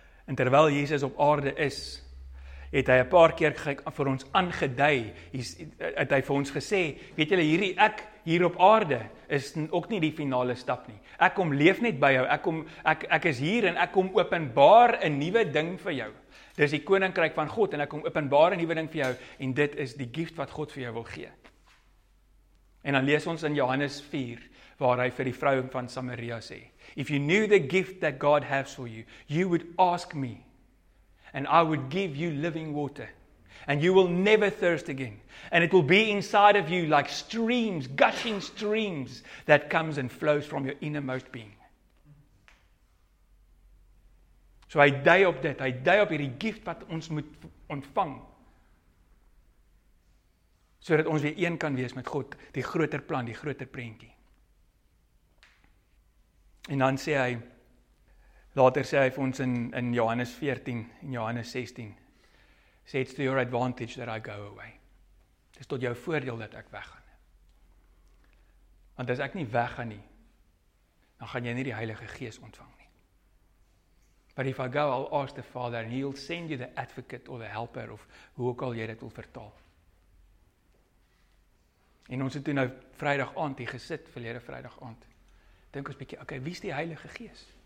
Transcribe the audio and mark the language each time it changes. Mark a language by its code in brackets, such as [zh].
[af] En terwyl Jesus op aarde is, het hy 'n paar keer vir ons aangedui, het hy vir ons gesê, weet julle, hier op aarde is ook nie die finale stap nie. Ek kom leef net by jou. Ek is hier en ek kom openbaar 'n nuwe ding vir jou. Dis die koninkryk van God en ek kom openbaar 'n nuwe ding vir jou en dit is die gift wat God vir jou wil gee. En dan lees ons in Johannes 4 waar hy vir die vrou van Samaria sê, [en] "If you knew the gift that God has for you, you would ask me and I would give you living water." And you will never thirst again. And it will be inside of you like streams, gushing streams that comes and flows from your innermost being. [af] So hy dui op dit. Hy dui op hierdie gift wat ons moet ontvang. So dat ons weer een kan wees met God. Die groter plan, die groter prentjie. En dan sê hy, later sê hy vir ons in Johannes 14 en Johannes 16, [en] say it's to your advantage that I go away. [af] Dis tot jou voordeel dat ek weggaan. Want as ek nie weggaan nie, dan gaan jy nie die Heilige Gees ontvang nie. [en] But if I go, I'll ask the Father and he'll send you the advocate or the helper of [af] hoe ook al jy dit wil vertaal. En ons het toe nou Vrydag aand hier gesit, verlede Vrydag aand. Dink ons bietjie, okay, wie is die Heilige Gees?